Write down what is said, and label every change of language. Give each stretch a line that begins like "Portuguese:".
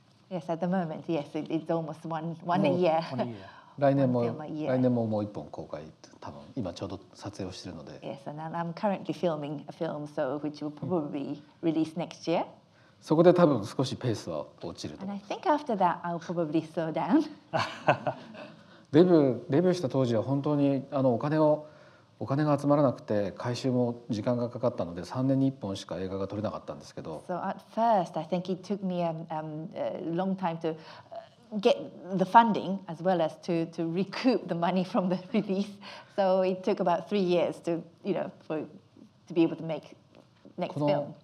English: Yes, at the moment, yes, it's almost one a year.
Japanese: 来年ももう一本公開、多分今ちょうど撮影をしているので。
English: Yes, and I'm currently filming a film, so which will probably release next year.
Japanese: そこで多分少しペースは落ちると。
English: And I think after that, I'll probably slow down.
Japanese: デビューした当時は本当にお金が集まらなくて回収も時間がかかったので3年に1本しか映画が撮れなかったんですけど。
English: So at first, I think it took me a long time to get the funding as well as to recoup the money from the release. So it took about 3 years to, you know, to be able to make next film.